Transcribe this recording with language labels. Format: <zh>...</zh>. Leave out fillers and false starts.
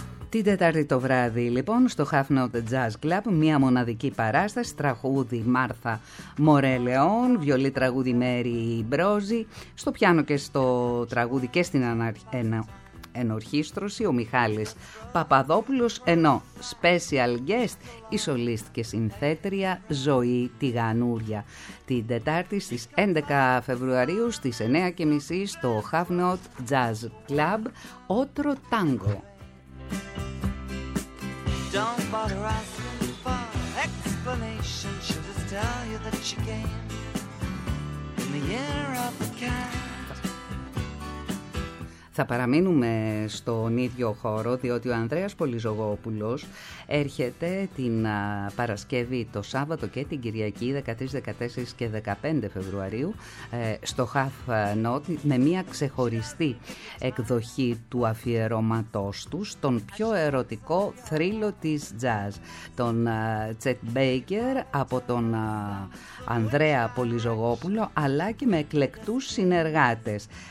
<el>Την Τετάρτη το βράδυ λοιπόν στο Half Note Jazz Club μια μοναδική παράσταση, τραγούδι Μάρθα Μορελεόν, βιολί τραγούδι Μέρι Μπρόζη, στο πιάνο και στο τραγούδι και στην ενορχήστρωση ο Μιχάλης Παπαδόπουλος, ενώ special guest η σολίστ και συνθέτρια Ζωή Τηγανούρια. Την Τετάρτη στις 11 Φεβρουαρίου στις 9.30 στο Half Note Jazz Club Otro Tango.</el> <en>Don't bother asking for explanation. She'll just tell you that she came in the year of the cat.</en> <el>Θα παραμείνουμε στον ίδιο χώρο, διότι ο Ανδρέας Πολυζωγόπουλος έρχεται την Παρασκευή, το Σάββατο και την Κυριακή 13, 14 και 15 Φεβρουαρίου στο Half Note με μια ξεχωριστή εκδοχή του αφιερώματός του στον πιο ερωτικό θρύλο της jazz, τον Chet Baker από τον Ανδρέα Πολυζωγόπουλο, αλλά και με εκλεκτούς συνεργάτες.</el>